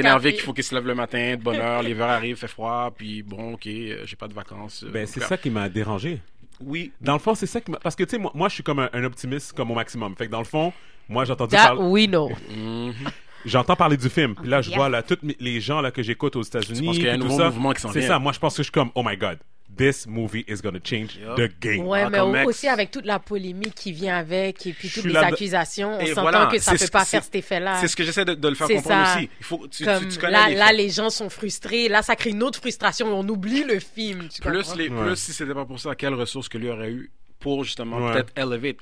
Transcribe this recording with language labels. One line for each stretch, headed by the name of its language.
French: Ils vont être énervés qu'il faut qu'ils se lèvent le matin, de bonne heure, l'hiver arrive, fait froid, puis bon, OK, j'ai pas de vacances. Ben c'est ça qui m'a dérangé. Oui. Dans le fond, c'est ça qui m'a... Parce que, tu sais, moi, je suis comme un optimiste comme au maximum. Fait que dans le fond, moi, j'ai entendu parler...
English: That we know.
French: J'entends parler du film. Puis là, je vois là tous les gens là, que j'écoute aux États-Unis. Tu penses qu'il y a un nouveau mouvement qui s'en c'est vient. C'est ça, moi, je pense que je suis comme,
English: oh my God. This movie is going to change the game.
French: Ouais, mais aussi avec toute la polémique qui vient avec et puis toutes les accusations, on s'entend voilà, que ça ne peut pas faire cet effet-là. C'est ce que j'essaie de le faire c'est comprendre ça. Aussi. Il faut, tu connais là, les gens sont frustrés. Là, ça crée une autre frustration. On oublie le film. Plus, si ce n'était pas pour ça, quelle ressource que lui aurait eu pour justement peut-être elevate.